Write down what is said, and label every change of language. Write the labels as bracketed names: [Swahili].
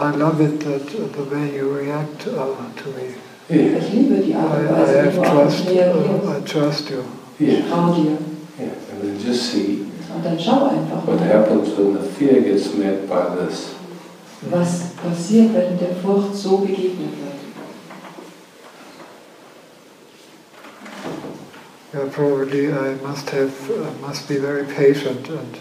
[English] I love it that the way you react to me. [German] Yeah. Ich liebe die Art und Weise, wie du auf mich reagierst. [English] I trust you. [German] Schau dir. [English] Yes. And then just see. [German] Und dann schau einfach. [English] What happens when the fear gets met by this? [German] Was passiert, wenn der Furcht so begegnet wird? [English] Yeah, probably I must be very patient and.